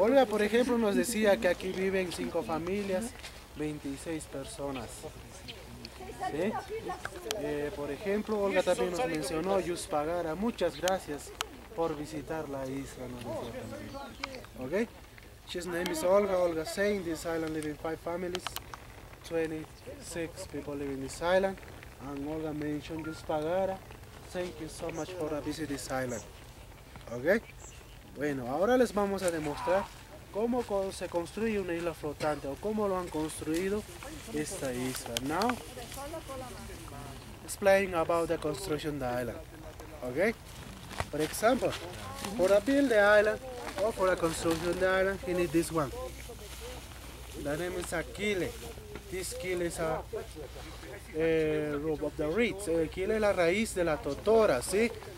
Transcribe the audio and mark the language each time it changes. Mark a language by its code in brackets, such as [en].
[es] Olga, por ejemplo, nos decía que aquí viven 5 familias, 26 personas. ¿Sí? Por ejemplo, Olga también nos mencionó Yuspagara, muchas gracias por visitar la isla. [en] Ok, his name is Olga. Olga saying this island living 5 families, 26 people live in this island, and Olga mentioned Yuspagara. Thank you so much for visiting this island. [es] Ok, bueno, ahora les vamos a demostrar cómo se construye una isla flotante o cómo lo han construido esta isla. [en] Now, explain about the construction of the island. Okay? For example, for a build the island or for a construction of the island, you need this one. The name is a quile. This quile is a rope of the reeds. [es] El quile es la raíz de la totora, ¿sí?